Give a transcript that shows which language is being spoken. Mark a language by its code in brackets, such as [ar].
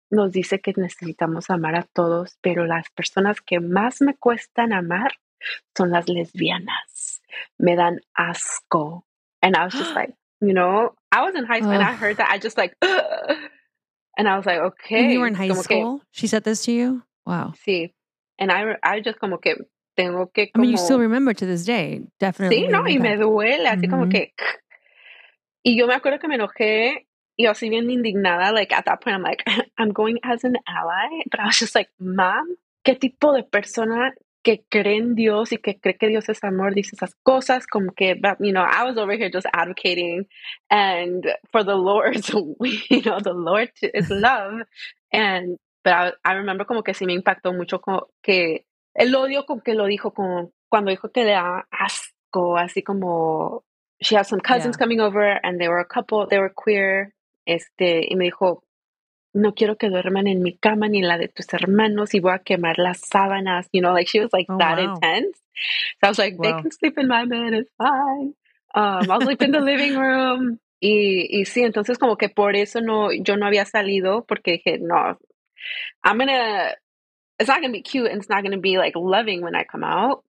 [es] nos dice que necesitamos amar a todos, pero las personas que más me cuestan amar son las lesbianas. Me dan asco. [en] And I was just like, you know, I was in high school and I heard that. I just like, and I was like, okay. You were in high school? She said this to you? Wow. [es] Sí. [en] And I just [es] como que tengo que como... [en] I mean, you still remember to this day. Definitely. [es] Sí, no, y me duele. Así como que... Y yo me acuerdo que me enojé. Y así bien indignada, [en] like, at that point, I'm like, I'm going as an ally. But I was just like, mom, [es] ¿qué tipo de persona que cree en Dios y que cree que Dios es amor dice esas cosas? Como que, [en] but, you know, I was over here just advocating. And for the Lord, you know, the Lord is love. [es] And, but I remember como que sí me impactó mucho como que el odio con que lo dijo, con cuando dijo que le da asco, así como... [en] She had some cousins coming over and they were a couple, they were queer. [es] Este, y me dijo, no quiero que duerman en mi cama ni en la de tus hermanos y voy a quemar las sábanas. [en] You know, like she was like intense. So I was like, they can sleep in my bed, it's fine. I'll sleep in the living room. [es] Y sí, entonces como que por eso no, yo no había salido porque dije, no, [en] it's not going to be cute and it's not going to be like loving when I come out.